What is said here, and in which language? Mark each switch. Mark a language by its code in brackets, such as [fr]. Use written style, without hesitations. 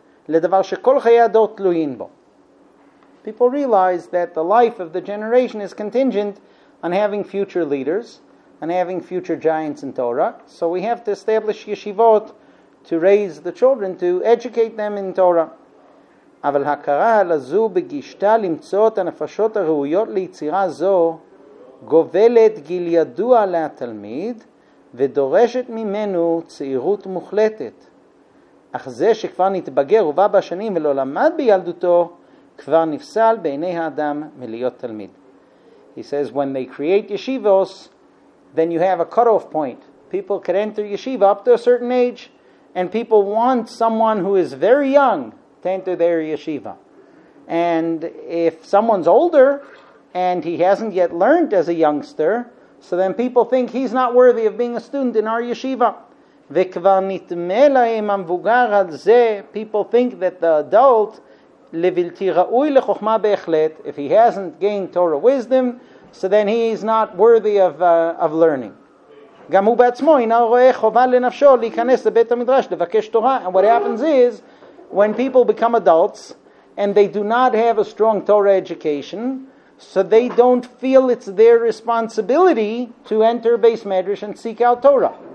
[he] Ledavar shekol chaye ador tluyin bo. [en] People realize that the life of the generation is contingent on having future leaders, on having future giants in Torah. So we have to establish yeshivot to raise the children, to educate them in Torah. [he] אבל הכרה על זו בגישתה למצוא את הנפשות הראויות ליצירה זו גובלת גיל ידוע לתלמיד ודורשת ממנו צעירות מוחלטת. אך זה שכבר נתבגר ובא בשנים ולא למד בילדותו כבר נפסל בעיני האדם מלהיות תלמיד. [en] He says, when they create yeshivos, then you have a cut-off point. People can enter yeshiva up to a certain age, and people want someone who is very young to enter their yeshiva. And if someone's older and he hasn't yet learned as a youngster, so then people think he's not worthy of being a student in our yeshiva. [he] וכבר נתמה להם המבוגר על זה, [en] people think that the adult, [he] לבלתי ראוי לחוכמה בהחלט, [en] if he hasn't gained Torah wisdom, so then he's not worthy of learning. [he] גם הוא בעצמו אינו רואה חובה לנפשו להיכנס לבית המדרש לבקש תורה. [en] And what happens is, when people become adults and they do not have a strong Torah education, so they don't feel it's their responsibility to enter Beis Medrash and seek out Torah.